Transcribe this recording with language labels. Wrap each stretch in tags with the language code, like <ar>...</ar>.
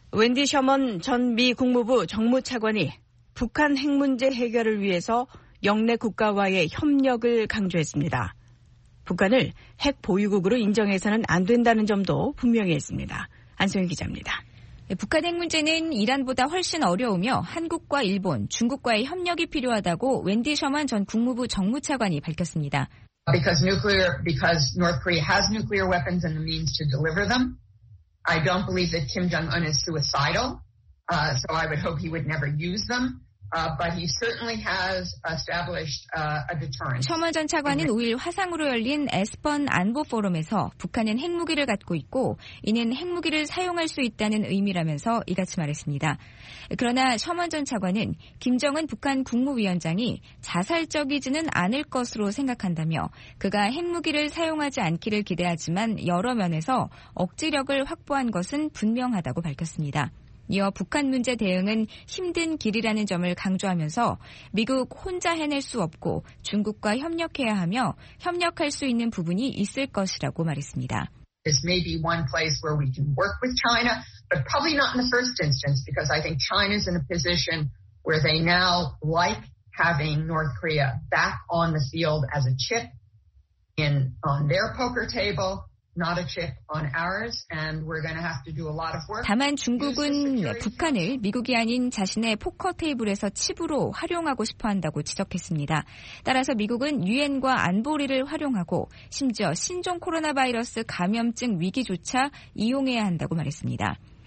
<ko>웬디 셔먼 전 미 국무부 정무차관이 북한 핵 문제 해결을 위해서 영내 국가와의 협력을 강조했습니다. 북한을 핵 보유국으로 인정해서는 안 된다는 점도 분명히 했습니다. 안소영 기자입니다. 북한 핵 문제는 이란보다 훨씬 어려우며 한국과 일본, 중국과의 협력이 필요하다고 웬디 셔먼 전 국무부 정무차관이 밝혔습니다.</ko> <en>Because North Korea has nuclear weapons and the means to deliver them. I don't believe that Kim Jong-un is suicidal. So I would hope he would never use them. But he certainly has established a deterrent.</en> <ko>셔먼 전 차관은 5일 화상으로 열린 에스번 안보 포럼에서 북한은 핵무기를 갖고 있고 이는 핵무기를 사용할 수 있다는 의미라면서 이같이 말했습니다. 그러나 셔먼 전 차관은 김정은 북한 국무위원장이 자살적이지는 않을 것으로 생각한다며 그가 핵무기를 사용하지 않기를 기대하지만 여러 면에서 억지력을 확보한 것은 분명하다고 밝혔습니다. 이어 북한 문제 대응은 힘든 길이라는 점을 강조하면서 미국 혼자 해낼 수 없고 중국과 협력해야 하며 협력할 수 있는 부분이 있을 것이라고 말했습니다.</ko> <en>This may be one place where we can work with China, but probably not in the first instance because I think China's in a position where they now like having North Korea back on the field as a chip in on their poker table. Not a chip on ours, and we're going to have to do a lot of work.</en> <ko>다만 중국은 북한을 미국이 아닌 자신의 포커 테이블에서 칩으로 활용하고 싶어한다고 지적했습니다. 따라서 미국은 유엔과 안보리를 활용하고 심지어 신종 코로나 바이러스 감염증 위기조차 이용해야 한다고 말했습니다.</ko>